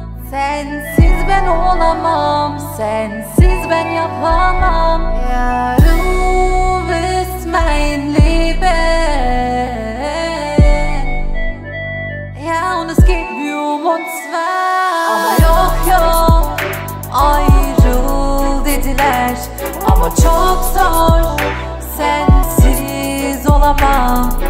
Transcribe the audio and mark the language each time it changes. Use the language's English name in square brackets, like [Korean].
[Turkish] Sensiz ben olamam, sensiz ben yapamam. [German] Du bist mein Leben, ja, und es geht mir um uns zwei. [Turkish] Yok yok, ayrıl dediler, ama çok zor, sensiz olamam.